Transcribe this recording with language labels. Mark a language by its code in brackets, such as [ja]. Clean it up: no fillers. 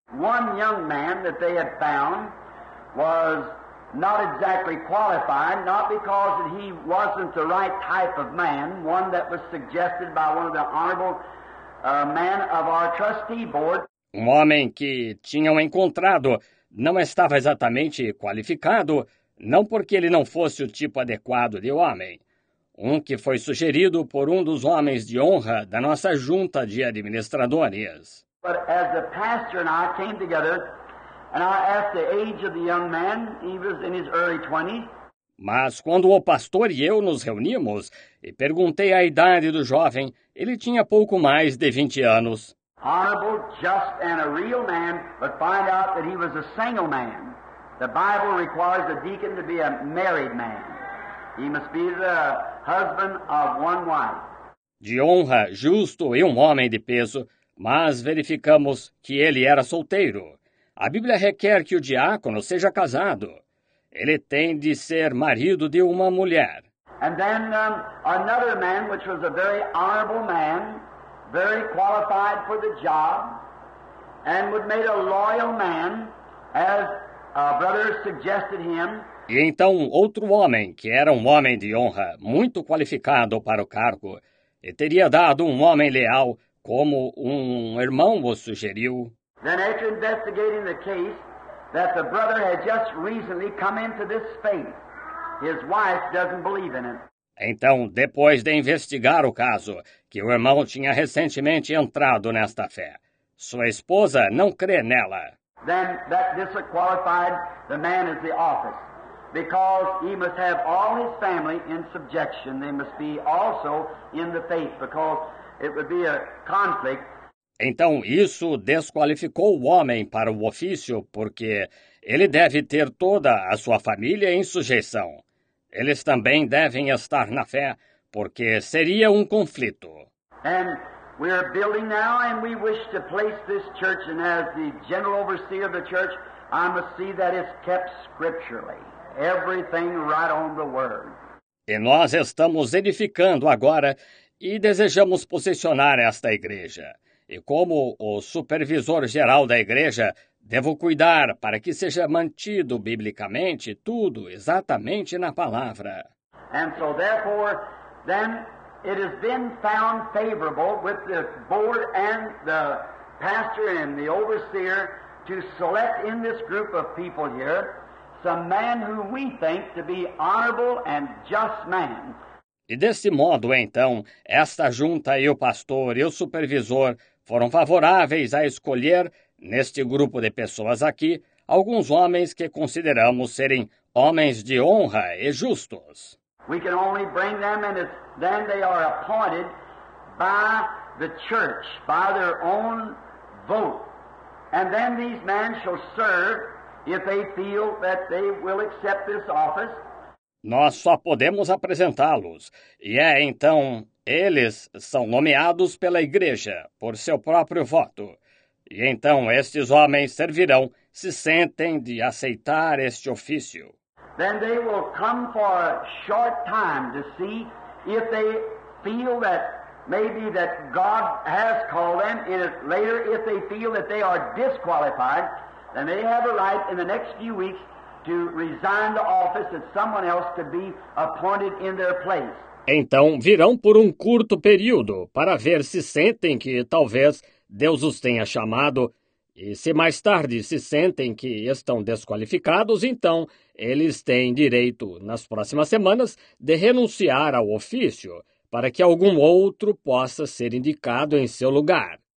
[en] One young man that they had found was not exactly qualified, not because that he wasn't the right type of man, one that was suggested by one of the honorable men of our trustee board. [pt] Um homem que tinham encontrado não estava exatamente qualificado, não porque ele não fosse o tipo adequado de homem. Um que foi sugerido por um dos homens de honra da nossa junta de administradores. [en] But as the pastor and I came together, and I asked the age of the young man, he was in his early 20s. [pt] Mas quando o pastor e eu nos reunimos e perguntei a idade do jovem, ele tinha pouco mais de 20 anos. [en] Honorable, just, and a real man, but find out that he was a single man. The Bible requires a deacon to be a married man. He must be the husband of one wife. [pt] De honra, justo e um homem de peso, mas verificamos que ele era solteiro. A Bíblia requer que o diácono seja casado. Ele tem de ser marido de uma mulher. [en] And then another man, which was a very honorable man, very qualified for the job, and would make a loyal man, as a brother suggested him. [pt] E então outro homem, que era um homem de honra, muito qualificado para o cargo, e teria dado um homem leal, como um irmão o sugeriu. [en] Then after investigating the case, that the brother had just recently come into this faith. His wife doesn't believe in it. [pt] Então, depois de investigar o caso, que o irmão tinha recentemente entrado nesta fé, sua esposa não crê nela. [en] Then that disqualified the man as the office, because he must have all his family in subjection. They must be also in the faith, because it would be a conflict. [pt] Então, isso desqualificou o homem para o ofício, porque ele deve ter toda a sua família em sujeição. Eles também devem estar na fé, porque seria um conflito. [en] And we are building now, and we wish to place this church, and as the general overseer of the church, I must see that it's kept scripturally. Everything right on the word. [pt] E nós estamos edificando agora, e desejamos posicionar esta igreja. E como o supervisor geral da igreja, devo cuidar para que seja mantido biblicamente tudo exatamente na palavra. [en] And so therefore, then it has been found favorable with the board and the pastor and the overseer to select in this group of people here some man who we think to be honorable and just man. [pt] E desse modo, então, esta junta e o pastor e o supervisor foram favoráveis a escolher, neste grupo de pessoas aqui, alguns homens que consideramos serem homens de honra e justos. [en] We can only bring them and then they are appointed by the church, by their own vote. And then these men shall serve if they feel that they will accept this office. [pt] Nós só podemos apresentá-los, e é então eles são nomeados pela igreja por seu próprio voto. E então estes homens servirão se sentem de aceitar este ofício. [en] Then they will come for a short time to see if they feel that maybe that God has called them, and later if they feel that they are disqualified, then they have a right in the next few weeks to resign the office and someone else to be appointed in their place. [pt] Então virão por um curto período para ver se sentem que talvez Deus os tenha chamado, e se mais tarde se sentem que estão desqualificados, então eles têm direito, nas próximas semanas, de renunciar ao ofício para que algum outro possa ser indicado em seu lugar.